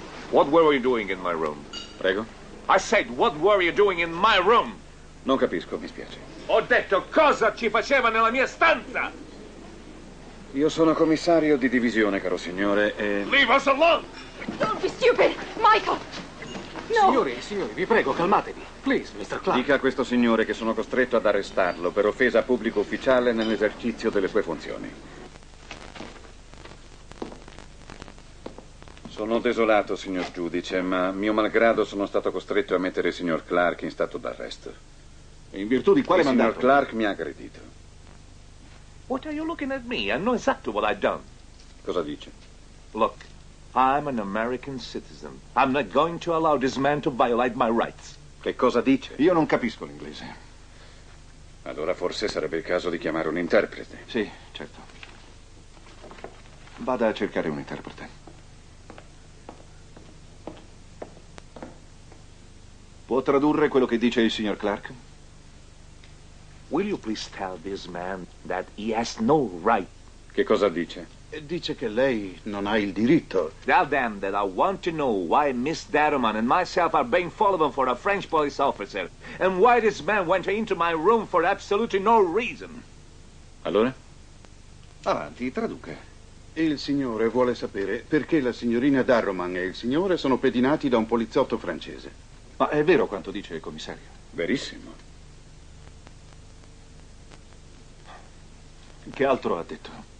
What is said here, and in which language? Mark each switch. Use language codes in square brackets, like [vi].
[en] What were you doing in my room? [it] Prego? [en] I said, what were you doing in my room? [it] Non capisco, mi spiace. Ho detto, cosa ci faceva nella mia stanza? Io sono commissario di divisione, caro signore, e... [en] Leave us alone! Don't be stupid, Michael! No! [it] Signori, signori, vi prego, calmatevi. [en] Please, Mr. Clark. [it] Dica a questo signore che sono costretto ad arrestarlo per offesa a pubblico ufficiale nell'esercizio delle sue funzioni. Sono desolato, signor giudice, ma mio malgrado sono stato costretto a mettere il signor Clark in stato d'arresto. E in virtù di quale mandato? Il signor Clark mi ha aggredito. [en] What are you looking at me? I know exactly what I've done. [it] Cosa dice? [en] Look, I'm an American citizen. I'm not going to allow this man to violate my rights. [it] Che cosa dice? Io non capisco l'inglese. Allora forse sarebbe il caso di chiamare un interprete. Sì, certo. Vada a cercare un interprete. Può tradurre quello che dice il signor Clark? [en] Will you please tell this man that he has no right? [it] Che cosa dice? Dice che lei non ha il diritto. [en] Tell them that I want to know why Miss Derriman and myself are being followed for a French police officer and why this man went into my room for absolutely no reason. [it] Allora? Avanti, traduca. Il signore vuole sapere perché la signorina Darroman e il signore sono pedinati da un poliziotto francese. Ma è vero quanto dice il commissario? Verissimo. Che altro ha detto?